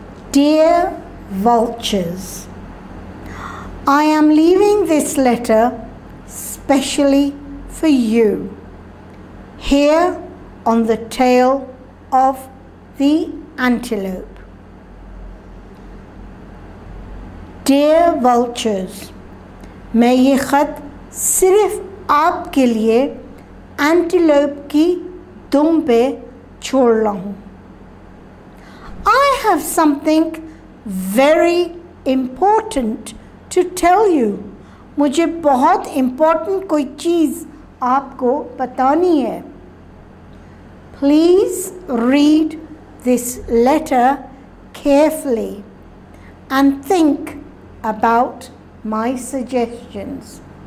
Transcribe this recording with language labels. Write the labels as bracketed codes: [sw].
[en] Dear vultures, I am leaving this letter specially for you, here on the tail of the antelope. [hi] Dear vultures, मैं ये खत सिर्फ आपके लिए antelope की दुम पे छोड़ रहा हूँ. [en] I have something very important to tell you. [hi] मुझे बहुत important कोई चीज़ आपको बतानी है. [en] Please read this letter carefully and think about my suggestions.